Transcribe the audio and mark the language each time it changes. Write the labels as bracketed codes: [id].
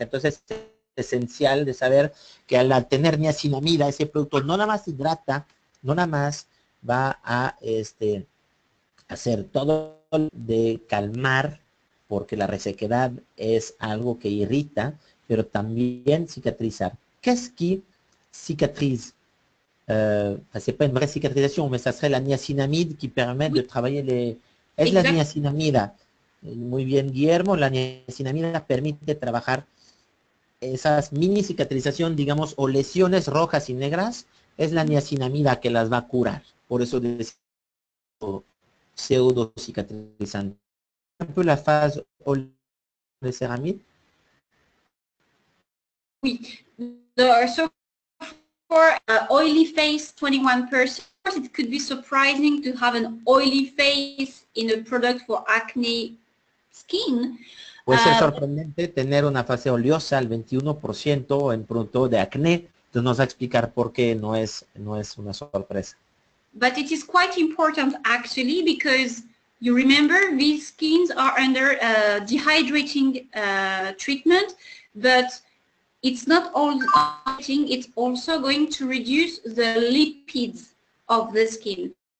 [es] Entonces, es esencial de saber que al tener niacinamida, ese producto no nada más hidrata, no nada más va a hacer todo de calmar, porque la resequedad es algo que irrita, pero también cicatrizar. ¿Qué es que cicatriza? [fr] C'est pas une vraie cicatrización, mais ça serait la niacinamide qui permet de travailler les... [es] Es la niacinamida. Muy bien, Guillermo, la niacinamida permite trabajar esas mini cicatrización, digamos, o lesiones rojas y negras, es la niacinamida que las va a curar. Por eso decimos pseudo cicatrizante. [fr] Un peu la phase de céramide. [en] Oui. So for oily face, 21%. It could be surprising to have an oily face in a product for acne skin. [es] Puede ser sorprendente tener una fase oleosa al 21% en producto de acné. Entonces nos va a explicar por qué no es una sorpresa. [en] But it is quite important actually, because you remember these skins are under dehydrating treatment, but it's not all dehydrating, it's also going to reduce the lipids of the skin.